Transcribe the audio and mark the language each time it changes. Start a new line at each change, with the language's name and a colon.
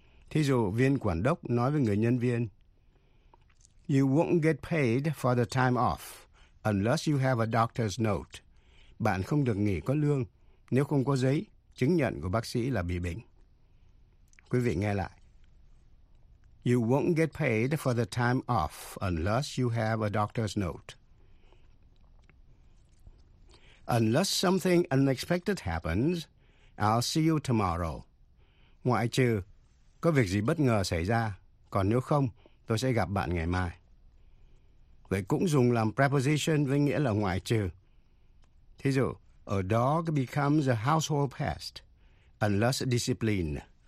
Vietnamese: Thí dụ, viên quản đốc nói với người nhân viên,
English: you won't get paid for the time off unless you have a doctor's note.
Vietnamese: Bạn không được nghỉ có lương nếu không có giấy chứng nhận của bác sĩ là bị bệnh. Quý vị nghe lại.
English: You won't get paid for the time off unless you have a doctor's note. Unless something unexpected happens, I'll see you tomorrow.
Vietnamese: Ngoại trừ có việc gì bất ngờ xảy ra, còn nếu không, tôi sẽ gặp bạn ngày mai. Vậy cũng dùng làm preposition với nghĩa là ngoại trừ. Thí dụ,
English: a dog becomes a household pest unless disciplined.